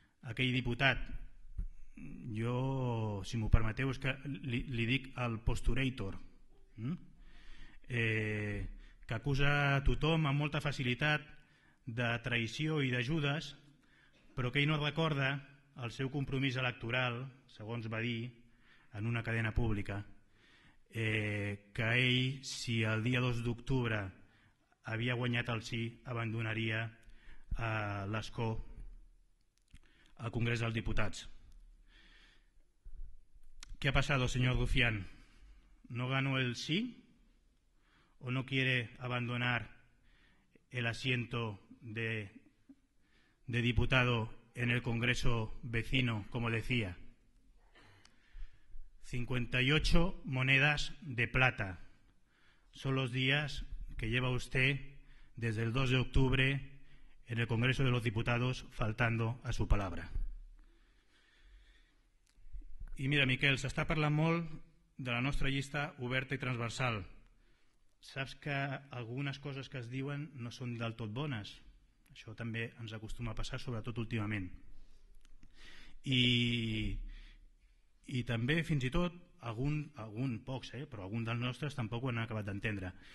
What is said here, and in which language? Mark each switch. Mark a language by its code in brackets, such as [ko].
[ca] Aquell diputat, jo, si m'ho permeteu, és que li dic el posturator, que acusa tothom amb molta facilitat de traïció i d'ajudes, però que ell no recorda el seu compromís electoral, segons va dir en una cadena pública, que ell, si el dia 2 d'octubre havia guanyat el sí, abandonaria l'escó al Congrés dels Diputats. [es] ¿Qué ha pasado, señor Rufián? ¿No ganó el sí o no quiere abandonar el asiento de diputado en el Congreso vecino, como decía? 58 monedas de plata son los días que lleva usted desde el 2 de octubre en el Congreso de los Diputados, faltando a su palabra. [ca] I mira, Miquel, s'està parlant molt de la nostra llista oberta i transversal. Saps que algunes coses que es diuen no són del tot bones? Això també ens acostuma a passar, sobretot últimament. I també, fins i tot, algun dels nostres tampoc ho han acabat d'entendre.